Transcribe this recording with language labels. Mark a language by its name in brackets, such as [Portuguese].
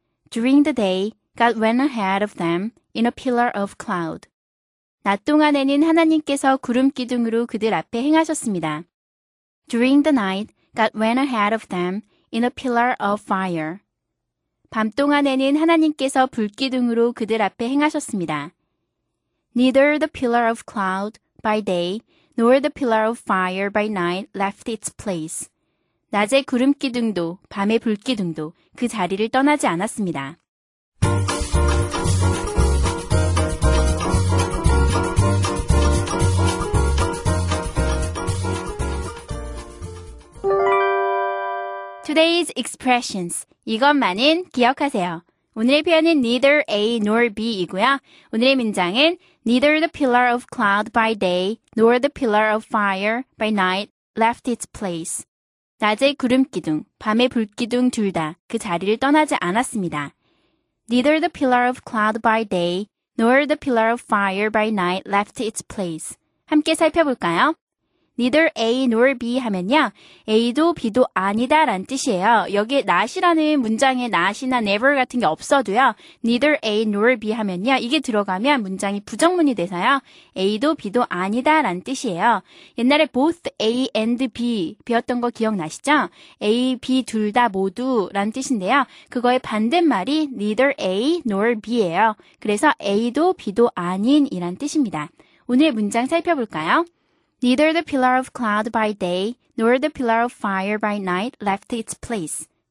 [English] During the day, God went ahead of them in a pillar of cloud. [Korean] 낮 동안에는 하나님께서 구름 기둥으로 그들 앞에 행하셨습니다. [English] During the night, God went ahead of them in a pillar of fire. [Korean] 밤 동안에는 하나님께서 불 기둥으로 그들 앞에 행하셨습니다. [English] Neither the pillar of cloud by day nor the pillar of fire by night left its place. [Korean] 낮의 구름기둥도 밤의 불기둥도 그 자리를 떠나지 않았습니다. [English] Today's expressions. [Korean] 이것만은 기억하세요. 오늘의 표현은 [English] neither A nor B [Korean] 이고요. 오늘의 문장은 [English] neither the pillar of cloud by day nor the pillar of fire by night left its place. [Korean] 낮의 구름기둥, 밤의 불기둥 둘 다 그 자리를 떠나지 않았습니다. [English] Neither the pillar of cloud by day nor the pillar of fire by night left its place. [Korean] 함께 살펴볼까요? [English] Neither A nor B [Korean] 하면요. A도 B도 아니다 라는 뜻이에요. 여기에 not이라는 문장에 not이나 never 같은 게 없어도요. [English] Neither A nor B [Korean] 하면요. 이게 들어가면 문장이 부정문이 돼서요. A도 B도 아니다 라는 뜻이에요. 옛날에 [English] both A and B [Korean] 배웠던 거 기억나시죠? A, B 둘 다 모두 라는 뜻인데요. 그거의 반대말이 [English] neither A nor B [Korean] 예요. 그래서 A도 B도 아닌 이란 뜻입니다. 오늘 문장 살펴볼까요? [English] Neither the pillar of cloud by day nor the pillar of fire by night left its place.